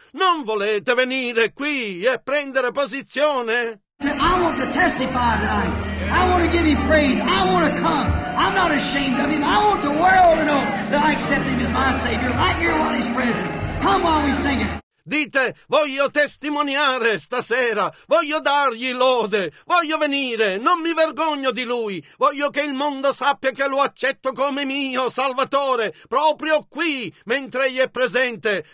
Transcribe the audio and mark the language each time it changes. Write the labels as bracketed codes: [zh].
[it] Non volete venire qui e prendere posizione? [en] I want to testify tonight. I want to give him praise. I want to come. I'm not ashamed of him. I want the world to know that I accept him as my Savior. I hear what he's present. Come while we sing it. [it] Dite, voglio testimoniare stasera, voglio dargli lode, voglio venire, non mi vergogno di lui, voglio che il mondo sappia che lo accetto come mio Salvatore, proprio qui, mentre egli è presente.